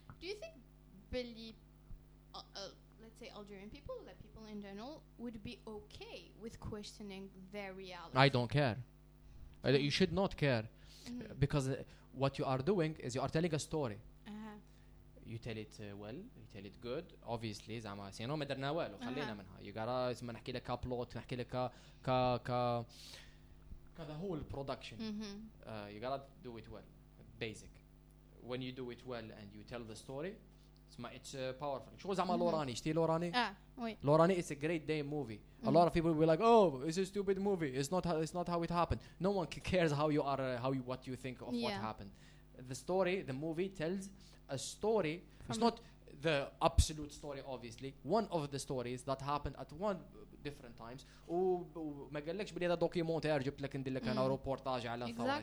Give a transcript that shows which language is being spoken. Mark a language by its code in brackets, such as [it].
[en] Do you think Billy? Say Algerian people, that like people in general would be okay with questioning their reality. I don't care. You should not care because what you are doing is you are telling a story. You tell it well, you tell it good. Obviously, [ar] زعما سينو ما درنا والو خلينا منها. [en] You gotta [ar] زعما نحكي لك كابلوت نحكي لك كا كا كا [en] the whole production. You gotta do it well, basic. When you do it well and you tell the story. It's powerful. [ar] شو زعما لوراني؟ شتي لوراني؟ [fr] وي. [en] لوراني is a great damn movie. A lot of people will be like, oh, it's a stupid movie. It's not how it happened. No one cares how you are, what you think of what happened. The story, the movie tells a story. It's not the absolute story, obviously. One of the stories that happened at one different times. [ar] وما قالكش بلي هذا دوكيومونتير جبت لك ندير لك انا روبورتاج على الثورة.